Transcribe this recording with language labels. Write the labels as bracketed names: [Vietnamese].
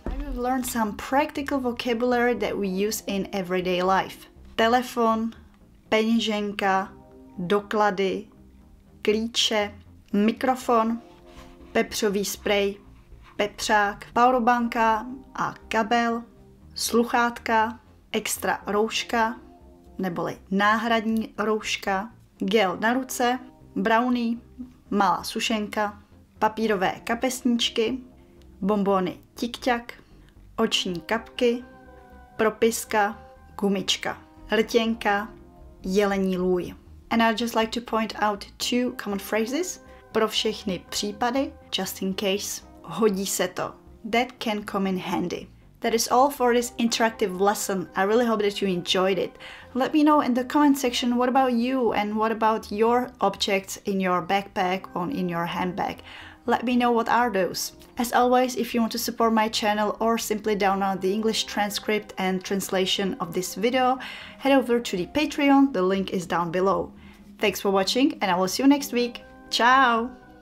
[English] I've learned some practical vocabulary that we use in everyday life. [Czech] Telefon, peněženka, doklady, klíče, mikrofon, pepřový sprej, pepřák, powerbanka a kabel, sluchátka, extra rouška, neboli náhradní rouška, gel na ruce, brownie, malá sušenka, papírové kapesníčky, bombóny tic-tac, oční kapky, propiska, gumička, rtěnka, jelení lůj. [English] And I'd just like to point out two common phrases. [Czech] Pro všechny případy, [English] just in case, [Czech] hodí se to. [English] That can come in handy. That is all for this interactive lesson. I really hope that you enjoyed it. Let me know in the comment section what about you and what about your objects in your backpack or in your handbag. Let me know what are those. As always, if you want to support my channel or simply download the English transcript and translation of this video, head over to the Patreon, the link is down below. Thanks for watching and I will see you next week. Ciao!